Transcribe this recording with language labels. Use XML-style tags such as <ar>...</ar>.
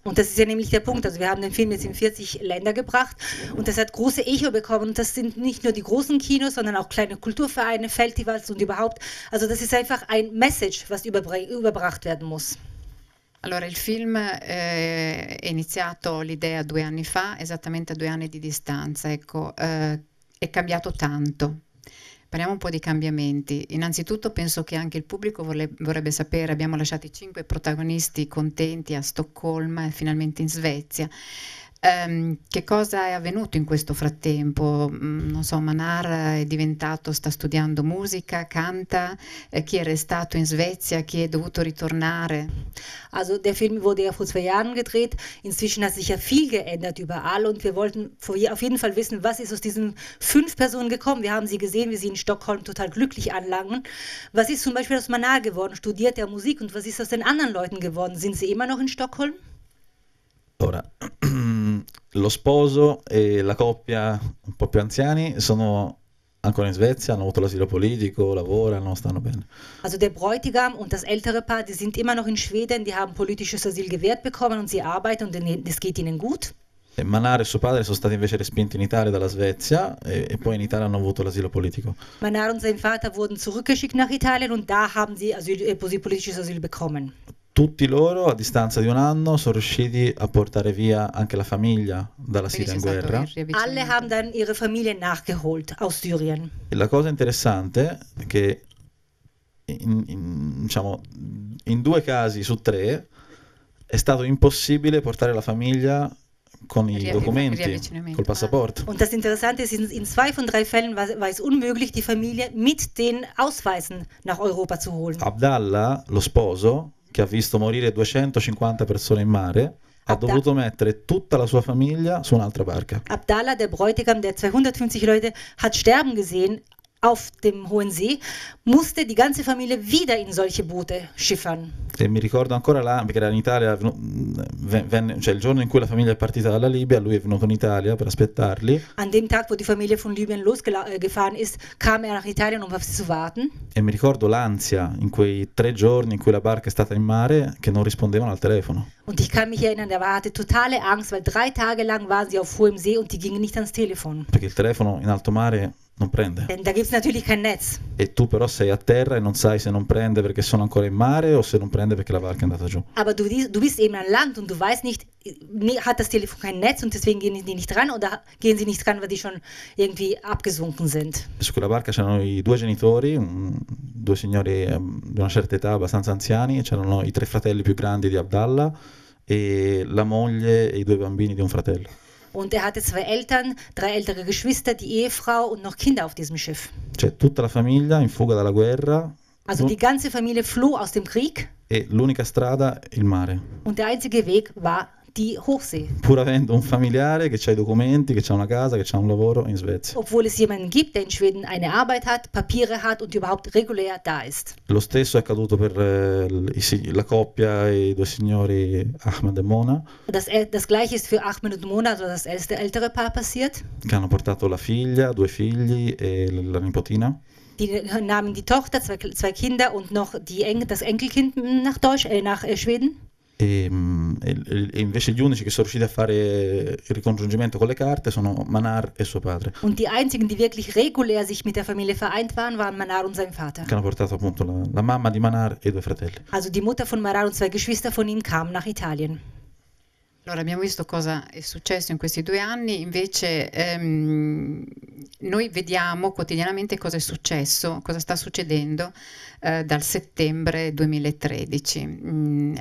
<de>Und das ist ja nämlich der Punkt, also wir haben den Film jetzt in 40 Länder gebracht, und das hat große Echo bekommen, und das sind nicht nur die großen Kinos, sondern auch kleine Kulturvereine, Festivals und überhaupt, also das ist einfach ein Message, was überbracht werden muss.</de> <it>Allora, il film è iniziato l'idea due anni fa, esattamente a due anni di distanza, ecco, è cambiato tanto. Parliamo un po' di cambiamenti. Innanzitutto penso che anche il pubblico vorrebbe sapere, abbiamo lasciato i cinque protagonisti contenti a Stoccolma e finalmente in Svezia. Che cosa è avvenuto in questo frattempo? Non so, Manar è diventato, sta studiando musica, canta, chi è restato in Svezia, chi è dovuto ritornare?</it> <de>Also der Film wurde ja vor zwei Jahren gedreht, inzwischen hat sich ja viel geändert überall, und wir wollten auf jeden Fall wissen, was ist aus diesen fünf Personen gekommen. Wir haben sie gesehen, wie sie in Stockholm total glücklich anlangen. Was ist zum Beispiel aus Manar geworden, studiert er Musik, und was ist aus den anderen Leuten geworden? Sind sie immer noch in Stockholm?</de> <it>Ora, lo sposo e la coppia un po' più anziani sono ancora in Svezia, hanno avuto l'asilo politico, lavorano, stanno bene.</it> <de>Also der Bräutigam und das ältere Paar, die sind immer noch in Schweden, die haben politisches Asyl gewährt bekommen und sie arbeiten und es geht ihnen gut.</de> <it>E Manar e suo padre sono stati invece respinti in Italia dalla Svezia, e poi in Italia hanno avuto l'asilo politico.</it> <de>Manar und sein Vater wurden zurückgeschickt nach Italien und da haben sie politisches Asyl bekommen.</de> <it>Tutti loro, a distanza di un anno, sono riusciti a portare via anche la famiglia dalla Siria in guerra.</it> <de>Alle haben dann ihre Familie nachgeholt aus Syrien.</de> <it>E la cosa interessante è che, diciamo, in due casi su tre è stato impossibile portare la famiglia con i documenti, col passaporto.</it> <de>Und das Interessante ist, in zwei von drei Fällen war es unmöglich, die Familie mit den Ausweisen nach Europa zu holen.</de> <it>Abdallah, lo sposo, che ha visto morire 250 persone in mare, ha dovuto mettere tutta la sua famiglia su un'altra barca.</it> <de>Abdallah, der Bräutigam, der 250 Leute hat sterben gesehen auf dem Hohen See, musste die ganze Familie wieder in solche Boote schiffern.</de> <it>E mi ricordo ancora là, perché era in Italia, cioè il giorno in cui la famiglia è partita dalla Libia, lui è venuto in Italia per aspettarli.</it> <de>An dem Tag, wo die Familie von Libyen losgefahren ist, kam nach Italien, auf sie zu warten.</de> <it>E mi ricordo l'ansia in quei tre giorni in cui la barca è stata in mare, che non rispondevano al telefono.</it> <de>Und ich kann mich erinnern, er hatte totale Angst, weil drei Tage lang waren sie auf hohem See und die gingen nicht ans Telefon.</de> <it>Perché il telefono in alto mare non prende.</it> <de>Denn da gibt's natürlich kein Netz.</de> <it>E tu però sei a terra e non sai se non prende perché sono ancora in mare o se non prende perché la barca è andata giù.</it> <de>Aber du bist eben an Land und du weißt nicht, hat das Telefon kein Netz und deswegen gehen die nicht dran oder gehen sie nicht dran, weil die schon irgendwie abgesunken sind.</de> <it>Su quella barca c'erano i due genitori, due signori di una certa età, abbastanza anziani, c'erano i tre fratelli più grandi di Abdallah e la moglie e i due bambini di un fratello.</it> <de>Und er hatte zwei Eltern, drei ältere Geschwister, die Ehefrau und noch Kinder auf diesem Schiff.</de> <it>Cioè, tutta la famiglia in fuga dalla guerra.</it> <de>Also die ganze Familie floh aus dem Krieg.</de> <it>E l'unica strada il mare.</it> <de>Und der einzige Weg war die Hochsee.</de> <it>Pur avendo un familiare che c'ha i documenti, che c'ha una casa, che c'ha un lavoro in Svezia.</it> <de>Obwohl es jemanden gibt, der in Schweden eine Arbeit hat, Papiere hat und überhaupt regulär da ist.</de> <it>Lo stesso è accaduto per la coppia e i due signori Ahmed e Mona.</it> <de>Das gleiche ist für Ahmed und Mona, also das ältere Paar passiert.</de> <it>Che hanno portato la figlia, due figli e la nipotina.</it> <de>Die nahmen die Tochter, zwei Kinder und noch das Enkelkind nach Schweden.</de> <it>E invece gli unici che sono riusciti a fare il ricongiungimento con le carte sono Manar e suo padre.</it> <de>Und die einzigen, die wirklich regulär sich mit der Familie vereint waren, waren Manar und sein Vater.</de> <it>Che hanno portato appunto la mamma di Manar e i due fratelli.</it> <de>Also die Mutter von Manar und zwei Geschwister von ihm kamen nach Italien.</de> <it>Allora abbiamo visto cosa è successo in questi due anni, invece noi vediamo quotidianamente cosa è successo, cosa sta succedendo dal settembre 2013.</it>